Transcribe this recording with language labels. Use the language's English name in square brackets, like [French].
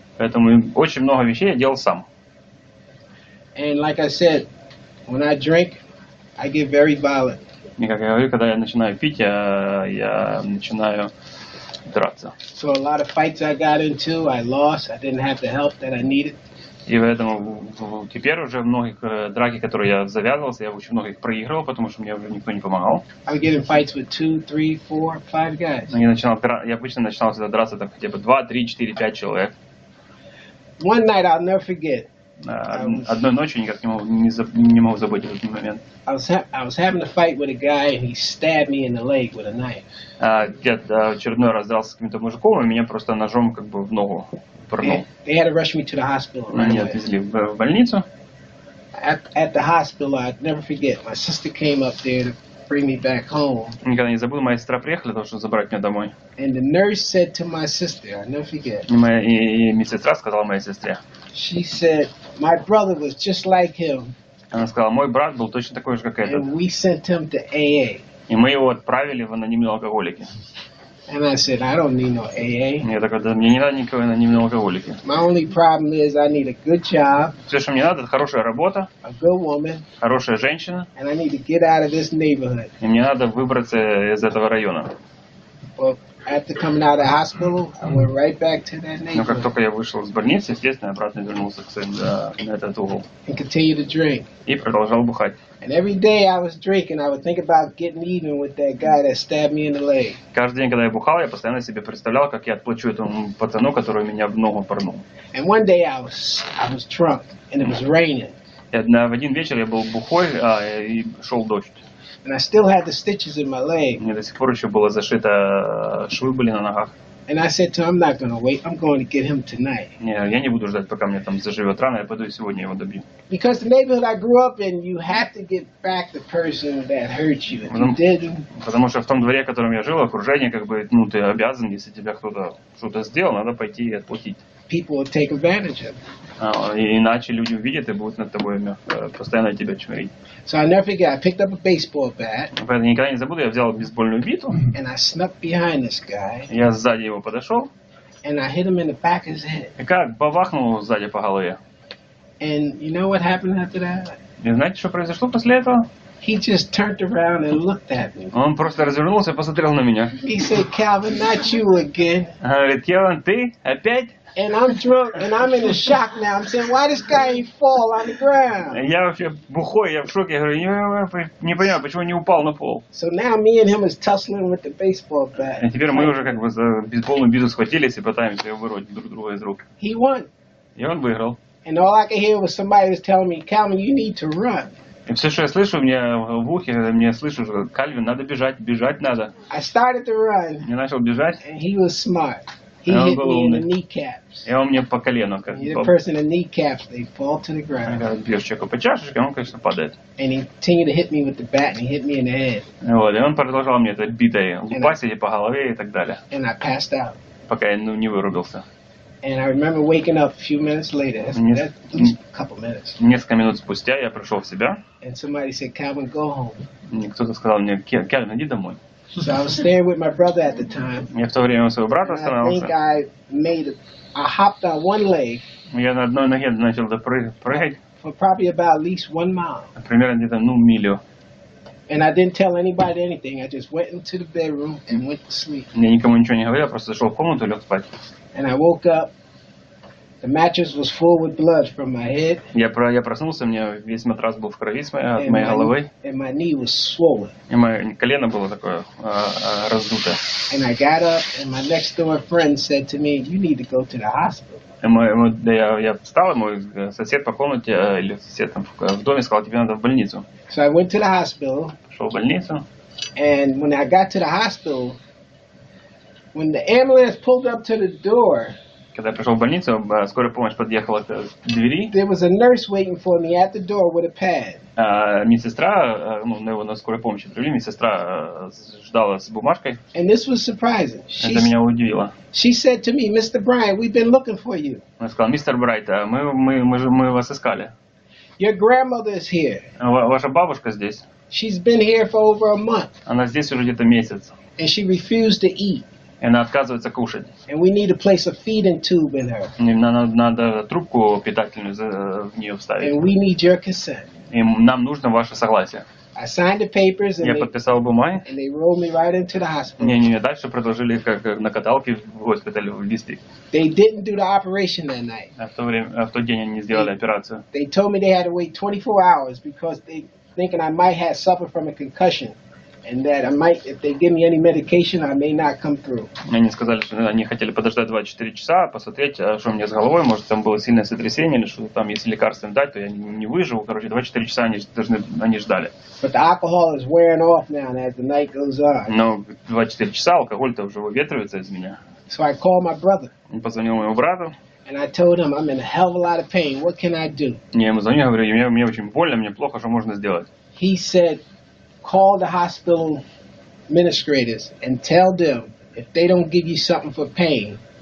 [Russian] Поэтому очень много вещей я делал сам. [English] And like I said, when I drink, I get very violent. [Russian] И как я говорю, когда я начинаю пить, я начинаю драться. [English] So a lot of fights I got into, I lost. I didn't have the help that I needed. [Russian] И поэтому теперь уже в многих драки, которые я завязывался, я очень многих проигрывал, потому что мне уже никто не помогал. [English] I would get in fights with 2, 3, 4, 5 guys. [Russian] Я обычно начинал всегда драться там хотя бы 2, 3, 4, 5 человек. [English] One night I'll never forget. [Russian] Одной ночью никак не мог забыть этот момент. [English] I was having a fight with a guy and he stabbed me in the leg with a knife. [Russian] Где-то очередной раз дрался с каким-то мужиком, и меня просто ножом как бы в ногу. [English] They had to rush me to the hospital. [Russian] Они отвезли в больницу. [English] At the hospital, I'd never forget. My sister came up there to bring me back home. [Russian] Никогда не забыл, моя сестра приехала, чтобы забрать меня домой. [English] And the nurse said to my sister, I'll never forget. [Russian] И медсестра сказала моей сестре. [English] She said, my brother was just like him. [Russian] Она сказала, мой брат был точно такой же, как этот. [English] And we sent him to AA. [Russian] И мы его отправили в анонимные алкоголики. [English] And I said, I don't need no AA. [Russian] Я такой, да, мне не надо никого анонимного алкоголика. [English] My only problem is I need a good job. [Russian] Все, что мне надо, это хорошая работа. [English] A good woman. [Russian] Хорошая женщина. [English] And I need to get out of this neighborhood. [Russian] И мне надо выбраться из этого района. [English] Well, after coming out of the hospital, I went right back to that neighborhood. [Russian] Но как только я вышел из больницы, естественно, обратно вернулся к своим, на этот угол. [English] And continue to drink. [Russian] И продолжал бухать. [English] And every day I was drinking, I would think about getting even with that guy that stabbed me in the leg. [Russian] Каждый день, когда я бухал, я постоянно себе представлял, как я отплачу этому пацану, который меня в ногу пырнул. [English] And one day I was drunk, and it was raining. [Russian] В один вечер я был бухой, и шел дождь. [English] And I still had the stitches in my leg. [Russian] Мне до сих пор еще было зашито, швы были на ногах. [English] And I said to him, I'm not going to wait. I'm going to get him tonight. [Russian] Нет, я не буду ждать, пока мне там заживет рана. Я пойду и сегодня его добью. [English] Because the neighborhood I grew up in, you have to get back the person that hurt you. If you didn't. [Russian] Потому что в том дворе, в котором я жил, окружение, как бы, ну, ты обязан, если тебя кто-то что-то сделал, надо пойти и отплатить. [English] People will take advantage of it. [Russian] Иначе люди увидят и будут над тобой постоянно тебя чморить. [English] So I never forget, I picked up a baseball bat. [Russian] Поэтому никогда не забуду, я взял бейсбольную биту. [English] And I snuck behind this guy. [Russian] Я сзади его подошел. [English] And I hit him in the back of his head. [Russian] И как, бабахнул сзади по голове. [English] And you know what happened after that? [Russian] И знаете, что произошло после этого? [English] He just turned around and looked at me. [Russian] Он просто развернулся и посмотрел на меня. [English] He said, Calvin, not you again. [Russian] Он говорит, Келвин, ты опять? [English] And I'm drunk, and I'm in a shock now. I'm saying, why this guy ain't fall on the ground? [Russian] Я вообще бухой, я в шоке. Я говорю, не понимаю, почему не упал на пол. [English] So now me and him is tussling with the baseball bat. [Russian] А теперь мы уже как бы за бейсбольную биту схватились и пытаемся его вырвать друг друга из рук. [English] He won. [Russian] И он выиграл. [English] And all I could hear was somebody was telling me, Calvin, you need to run. [Russian] И все, что я слышу, у меня в ухе, я меня слышу, что Кальвин, надо бежать, бежать надо. [English] I started to run. [Russian] Я начал бежать. [English] And he was smart. He hit me in the kneecaps. [Russian] И он мне по колено, как бы. [English] The person in kneecaps, they fall to the ground. [Russian] Когда бьешь человека по чашечке, он, конечно, падает. [English] And he continued to hit me with the bat, and he hit me in the head. [Russian] Вот, и он продолжал мне это битой лупасить по голове и так далее. [English] And I passed out. [Russian] Пока я, не вырубился. [English] And I remember waking up a few minutes later. That's a couple minutes. [Russian] Несколько минут спустя я пришел в себя. [English] And somebody said, Calvin, go home. [Russian] Кто-то сказал мне, Кальвин, иди домой. [English] So I was staying with my brother at the time. [Russian] Я в то время у своего брата останавливался. [English] I think I made it. I hopped on one leg. [Russian] Я на одной ноге начал прыгать. [English] For probably about at least 1 mile. [Russian] Примерно где-то, милю. [English] And I didn't tell anybody anything. I just went into the bedroom and went to sleep. [Russian] Я никому ничего не говорил, просто зашел в комнату и лег спать. [English] And I woke up. The mattress was full with blood from my head. [Russian] Я проснулся, у меня весь матрас был в крови от моей головы. [English] And my knee was swollen. [Russian] И мое колено было такое раздуто. [English] And I got up, and my next door friend said to me, "You need to go to the hospital." [Russian] Я встал, и мой сосед по комнате или сосед там в доме сказал, тебе надо в больницу. [English] So I went to the hospital. [Russian] Шел в больницу. [English] And when I got to the hospital, When the ambulance pulled up to the door, [Russian] когда я пришел в больницу, скорая помощь подъехала к двери. [English] There was a nurse waiting for me at the door with a pad. [Russian] Медсестра, ну, его на скорой помощи привели, медсестра ждала с бумажкой. [English] And this was surprising. [Russian] Это меня удивило. [English] She said to me, Mr. Bryant, we've been looking for you. [Russian] Она сказала, мистер Брайт, мы вас искали. [English] Your grandmother is here. [Russian] Ваша бабушка здесь. [English] She's been here for over a month. [Russian] Она здесь уже где-то месяц. [English] And she refused to eat. [Russian] И она отказывается кушать. [English] And we need to place a feeding tube in her. [Russian] Надо трубку питательную в нее вставить. [English] And we need your consent. [Russian] И нам нужно ваше согласие. [English] I signed the papers and [Russian] я подписал бумаги. [English] And they rolled me right into the hospital. [Russian] Не, дальше продолжили как на каталке в госпитале в Листик. [English] They didn't do the operation that night. [Russian] В тот день они не сделали операцию. [English] They told me they had to wait 24 hours because they thinking I might have suffered from a concussion. And that I might, if they give me any medication, I may not come through. [Russian] Они сказали, что они хотели подождать 24 часа, посмотреть, что у меня с головой, может, там было сильное сотрясение, или что там, если лекарства им дать, то я не выживу. Короче, 24 часа они ждали. [English] But the alcohol is wearing off now as the night goes on. [Russian] Но 24 часа алкоголь-то уже выветривается из меня. [English] So I called my brother. [Russian] Позвонил моему брату. [English] And I told him, I'm in a hell of a lot of pain. What can I do? [Russian] Не, ему звоню, говорю, мне очень больно, мне плохо, что можно сделать? [English] He said, call the hospital administrators and tell them if they don't give you something for pain.